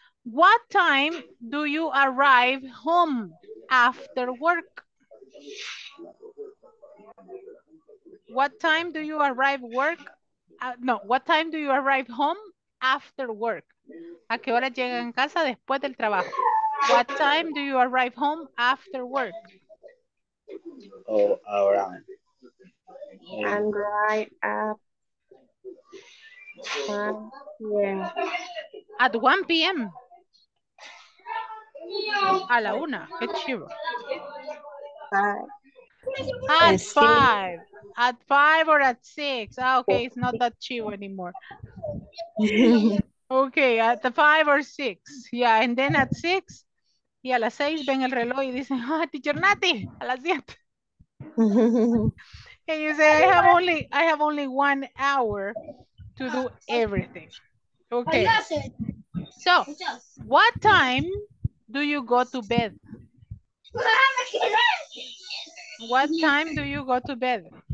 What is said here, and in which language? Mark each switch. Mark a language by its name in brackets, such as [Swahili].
[English] What time do you arrive home after work? What time do you arrive home after work? [Spanish] ¿A qué hora llegan en casa después del trabajo? [English] What time do you arrive home after work? Oh, all right. And right at 1 p.m. At 1 p.m. [Spanish] A la una. Qué chivo. [English] At five. At five or at six. Ah, okay, it's not that chill anymore. Okay, at the five or six. Yeah, and then at six. [Spanish] Y a las seis ven el reloj y dicen, ah, oh, teacher Nati, a las siete. [English] And you say, I have only 1 hour to do everything. Okay. So, what time do you go to bed? What time do you go to bed?